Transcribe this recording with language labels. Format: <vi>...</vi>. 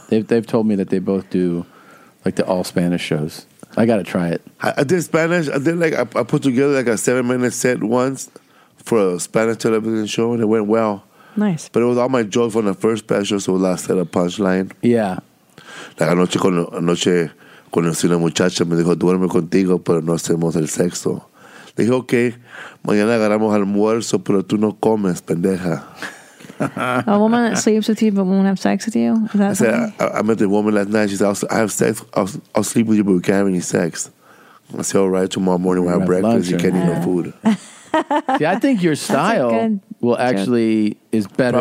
<en>They've told me that they both do like the all Spanish shows. I got to try it. I did Spanish. I did like, I put together like a 7-minute set once for a Spanish television show and it went well. Nice. But it was all my jokes from the first special, so last set of punchline. Yeah.</en> <es>Like anoche, conocí una muchacha, me dijo, duerme contigo, pero no hacemos el sexo. Le dije, okay, mañana agarramos almuerzo, pero tú no comes, pendeja.</es> <en>A woman that sleeps with you, but won't have sex with you? Is that I met the woman last night, she said, I have sex, I'll sleep with you, but we can't have any sex. I said, all right, tomorrow morning we'll have breakfast, lunch, you can't eat no food. See, I think your style will actually is better</en>